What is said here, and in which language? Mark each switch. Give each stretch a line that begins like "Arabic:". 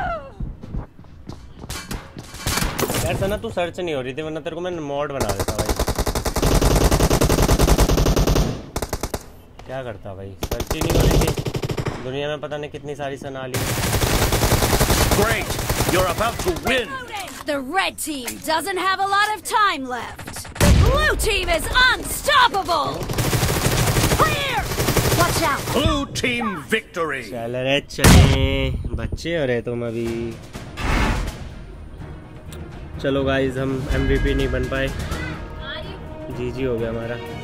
Hindi: यार सना तू सर्च नहीं हो रही थी, वरना तेरे को मैं मॉड बना देता भाई। क्या करता भाई, सच ही नहीं हो रही। दुनिया में पता नहीं कितनी सारी सना ली।
English: Great, you're about to win. The red team doesn't have a lot of time left. The blue team is unstoppable. Clear. Watch out. Blue team victory.
Hindi: चल रे चले, बच्चे हो रहे तुम अभी। चलो गाइस हम MVP नहीं बन पाए। जीजी हो गया हमारा।